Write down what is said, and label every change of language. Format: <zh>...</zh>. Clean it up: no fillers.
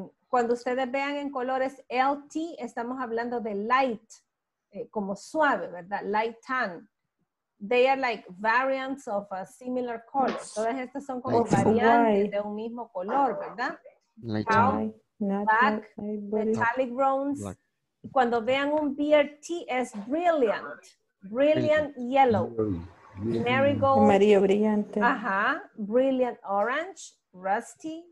<es>Cuando ustedes vean en colores LT, estamos hablando de light, como suave, ¿verdad?</es> <en>Light tan. They are like variants of a similar color.</en> <es>Todas estas son como light variantes de un mismo color, ¿verdad?</es> <en>Light tan. Not black, metallic bronze. Black.</en> <es>Cuando vean un BRT es</es> <en>brilliant. Brilliant yellow. Marigold.</en> <es>Amarillo brillante.</es> <en>Ajá. Brilliant orange. Rusty.</en>